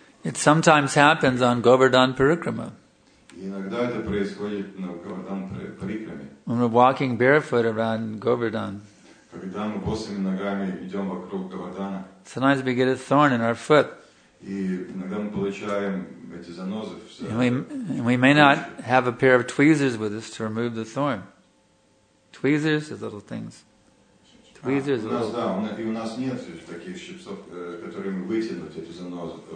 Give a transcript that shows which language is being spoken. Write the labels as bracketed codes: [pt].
[en] It sometimes happens on Govardhan Parikrama. [ru] Иногда это происходит на Govardhan Parikrama. [en] When we're walking barefoot around Govardhan. [ru] Когда мы босыми ногами идем вокруг Govardhana. [en] Sometimes we get a thorn in our foot. [ru] И иногда мы получаем эти занозы. [en] And we may not have a pair of tweezers with us to remove the thorn. Tweezers are little things. Tweezers are little things. [ru] У нас нет таких щипцов, которыми вытянуть эти занозы.